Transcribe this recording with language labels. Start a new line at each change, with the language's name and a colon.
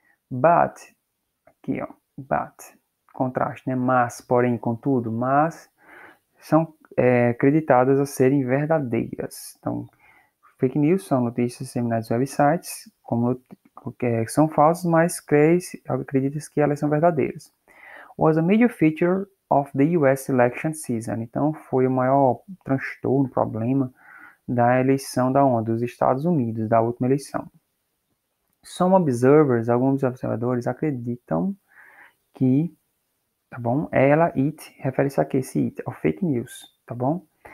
Portuguese: But, aqui ó, but, contraste, né? Mas, porém, contudo, mas são acreditadas a serem verdadeiras. Então, fake news são notícias disseminadas em websites como que são falsas, mas acredita-se que elas são verdadeiras.
English: Was a major feature of the US election season.
Portuguese: Então foi o maior transtorno, problema da eleição da onda dos Estados Unidos, da última eleição.
English: Some observers,
Portuguese: alguns observadores acreditam que, tá bom? Ela, it, refere-se a que? Esse it, ao fake news, tá bom?